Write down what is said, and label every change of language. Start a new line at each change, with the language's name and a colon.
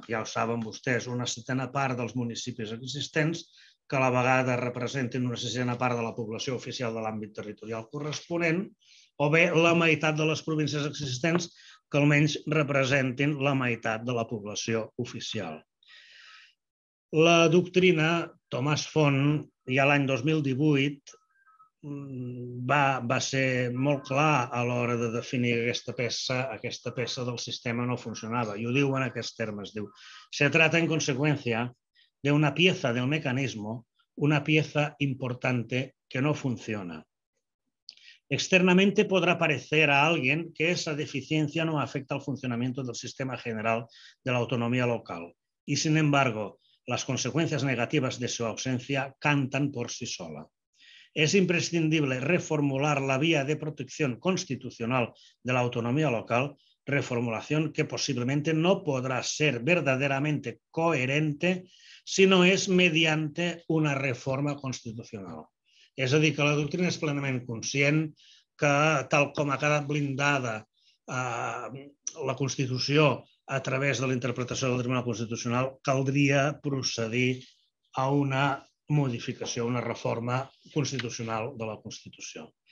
Catalan: Ja ho saben vostès, una setena part dels municipis existents que a la vegada representin una setena part de la població oficial de l'àmbit territorial corresponent, o bé la meitat de les províncies existents que almenys representin la meitat de la població oficial. La doctrina Tomàs Font, ja l'any 2018, va ser molt clar a l'hora de definir aquesta peça del sistema no funcionava. I ho diu en aquests termes, diu:
Spanish: se trata en consecuencia de una pieza del mecanismo, una pieza importante que no funciona. Externamente podrá parecer a alguien que esa deficiencia no afecta al funcionamiento del sistema general de la autonomía local. Y sin embargo, las consecuencias negativas de su ausencia cantan por sí sola. Es imprescindible reformular la vía de protección constitucional de la autonomía local, reformulación que posiblemente no podrá ser verdaderamente coherente si no es mediante una reforma constitucional.
Catalan: És a dir, que la doctrina és plenament conscient que, tal com ha quedat blindada la Constitució a través de la interpretació del Tribunal Constitucional, caldria procedir a una modificació, una reforma constitucional de la Constitució.